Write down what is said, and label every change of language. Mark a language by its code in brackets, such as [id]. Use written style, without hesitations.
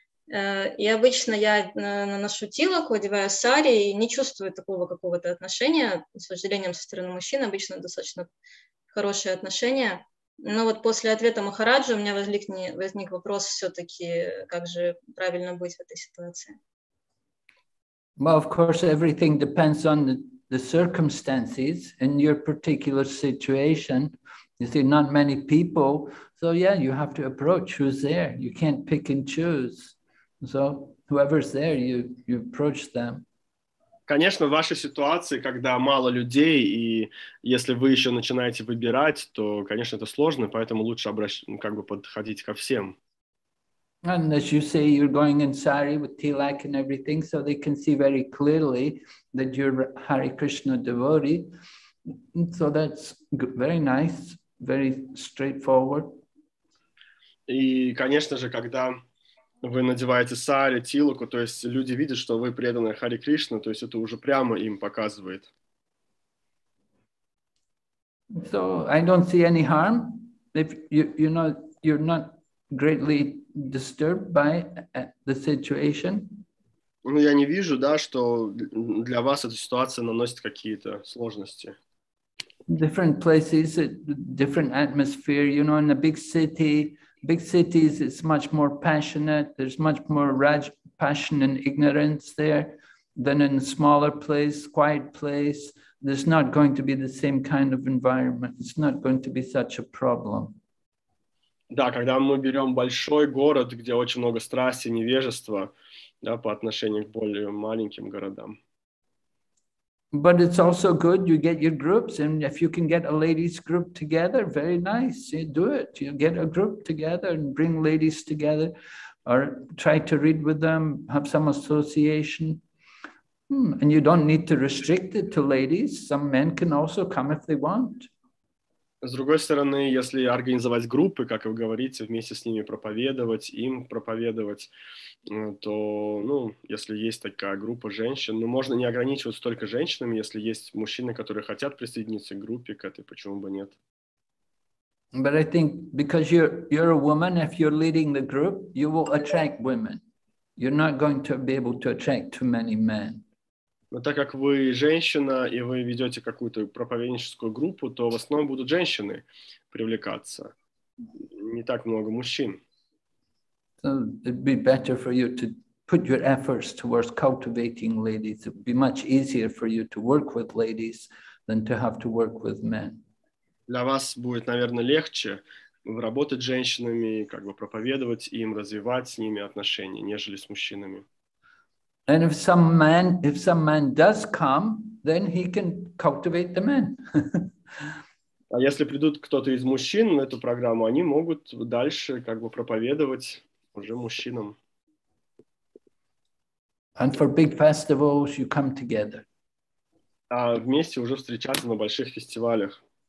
[ru] И обычно я наношу тилаку, одеваю сари и не чувствую такого какого-то отношения. С вожделением со стороны мужчины обычно достаточно хорошее отношение. Но вот после ответа Махараджа у меня возник вопрос все-таки, как же правильно быть в этой ситуации. [en] Well, of course, everything depends on the circumstances in your particular situation. You see, not many people, so yeah, you have to approach who's there. You can't pick and choose. So whoever's there, you approach them. [ru] Конечно, в вашей ситуации, когда мало людей, и если вы еще начинаете выбирать, то, конечно, это сложно, поэтому лучше подходить ко всем. [en] And as you say, you're going in sari with tilak and everything, so they can see very clearly that you're Hare Krishna devotee. So that's very nice, very straightforward. [ru] И, конечно же, когда вы надеваете сари, тилаку, то есть люди видят, что вы преданная Хари Кришна, то есть это уже прямо им показывает. [en] So I don't see any harm if you know you're not greatly disturbed by the situation. [ru] Ну я не вижу, да, что для вас эта ситуация наносит какие-то сложности. [en] Different places, different atmosphere, you know, in a big city. Big cities, it's much more passionate. There's much more passion and ignorance there than in a smaller place, quiet place. There's not going to be the same kind of environment. It's not going to be such a problem. [ru] Да, когда мы берем большой город, где очень много страсти, невежества, да, по отношению к более маленьким городам. [en] But it's also good, you get your groups, and if you can get a ladies group together, very nice, you do it. You get a group together and bring ladies together, or try to read with them, have some association. And you don't need to restrict it to ladies, some men can also come if they want. [ru] С другой стороны, если организовать группы, как вы говорите, вместе с ними проповедовать, им проповедовать, то, ну, если есть такая группа женщин, ну, можно не ограничиваться только женщинами, если есть мужчины, которые хотят присоединиться к группе, к этой, почему бы нет? [en] But I think because you're a woman, if you're leading the group, you will attract women. You're not going to be able to attract too many men. [ru] Но так как вы женщина, и вы ведете какую-то проповедническую группу, то в основном будут женщины привлекаться. Не так много мужчин. [en] So it'd be better for you to put your efforts towards cultivating ladies. It'd be much easier for you to work with ladies than to have to work with men. [ru] Для вас будет, наверное, легче работать с женщинами, как бы проповедовать им, развивать с ними отношения, нежели с мужчинами. [en] And if some man does come, then he can cultivate the men. [ru] А если придут кто-то из мужчин в эту программу, они могут дальше как бы проповедовать уже мужчинам. [en] And for big festivals, you come together. [ru] А вместе уже встречаться на больших фестивалях.